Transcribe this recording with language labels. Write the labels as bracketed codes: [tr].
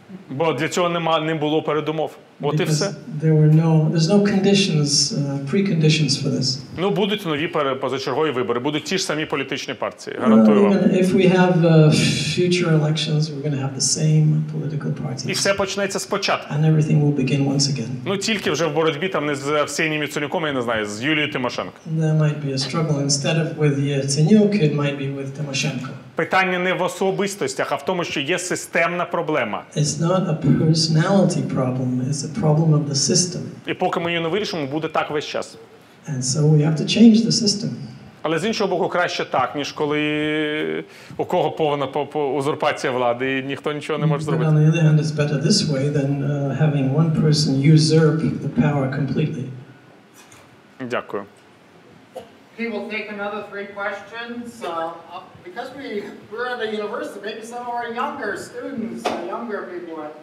[uk] Бо для цього не було передумов. От і все. [en] There's no conditions, preconditions for this. [uk] Ну, будуть нові позачергові вибори, будуть ті ж самі політичні партії, гарантую вам. [en] If we have future elections, we're going to have the same political parties. [uk] І все почнеться спочатку. [en] And everything will begin once again. [uk] Ну, тільки вже в боротьбі там не з Арсенієм Яценюком, я не знаю, з Юлією Тимошенко. [en] There might be a struggle. Instead of with Яценюк, it might be with Тимошенко. [uk] Питання не в особистостях, а в тому, що є системна проблема. [en] It's not a personality problem, it's a problem of the system. [uk] І поки ми її не вирішимо, буде так весь час. [en] And so we have to change the system. [uk] Але з іншого боку, краще так, ніж коли у кого повна узурпація влади і ніхто нічого не може зробити. [en] But on the other hand, it's better this way than having one person usurp the power completely. [uk] Дякую. [en] Okay, we'll take another 3 questions. Because we're at a university, maybe some of our younger students, younger people.